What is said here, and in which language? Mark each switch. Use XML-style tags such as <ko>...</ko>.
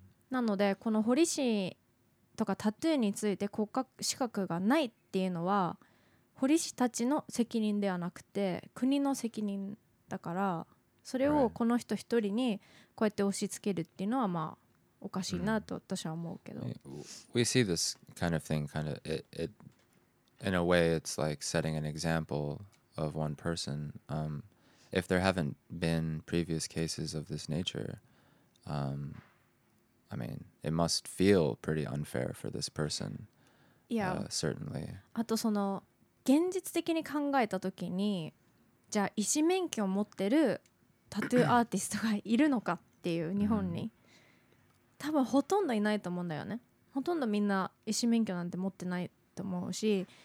<ja>なのでこの彫り師とかタトゥーについて国家資格がないっていうのは彫り師たちの責任ではなくて国の責任だから、それをこの人一人にこうやって押し付けるっていうのはまあおかしいなと私は思うけど、</ja> <en>We see this kind of thing kind of it in a way it's like setting an example of one person. If there haven't been previous cases of this nature, I mean it must feel pretty unfair for this person. Yeah, certainly.</en> <ja>あとその現実的に考えたときに、じゃあ医師免許を持ってるタトゥーアーティストがいるのかっていう、日本に多分ほとんどいないと思うんだよね。ほとんどみんな医師免許なんて持ってないと思うし、</ja>